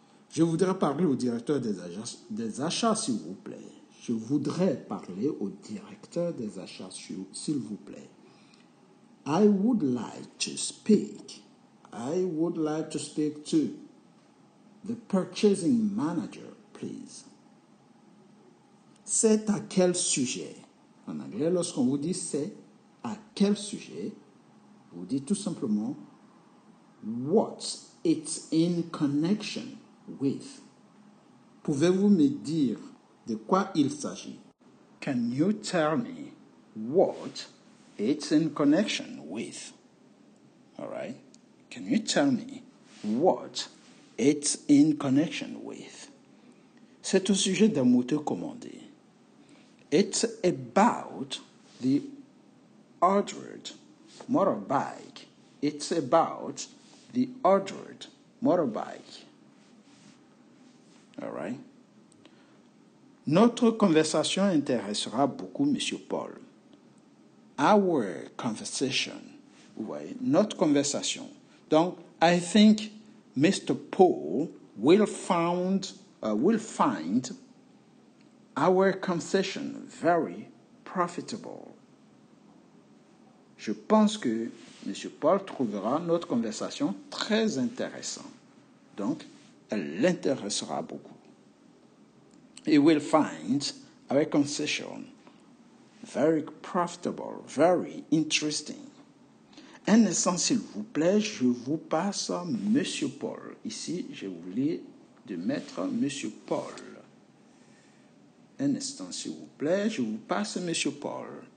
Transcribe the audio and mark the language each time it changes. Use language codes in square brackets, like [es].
[fr] Je voudrais parler au directeur des achats, s'il vous plaît. Je voudrais parler au directeur des achats, s'il vous plaît. [en] I would like to speak. I would like to speak to the purchasing manager, please. [fr] C'est à quel sujet? En anglais, lorsqu'on vous dit c'est à quel sujet, vous dites tout simplement [en] what it's in connection with. [fr] Pouvez-vous me dire de quoi il s'agit? [en] Can you tell me what it's in connection with? All right. Can you tell me what it's in connection with? [fr] C'est au sujet d'un moteur commandé. [en] It's about the ordered motorbike. It's about the ordered motorbike. All right. [fr] Notre conversation intéressera beaucoup Monsieur Paul. [en] Our conversation. [fr] Vous voyez, notre conversation. [en] Donc, I think Mr. Paul will find our conversation very profitable. [fr] Je pense que Monsieur Paul trouvera notre conversation très intéressante. Donc, elle l'intéressera beaucoup. [en] He will find our conversation very profitable, very interesting. [fr] Un instant, s'il vous plaît, je vous passe Monsieur Paul. Ici, j'ai oublié de mettre Monsieur Paul. Un instant, s'il vous plaît, je vous passe Monsieur Paul.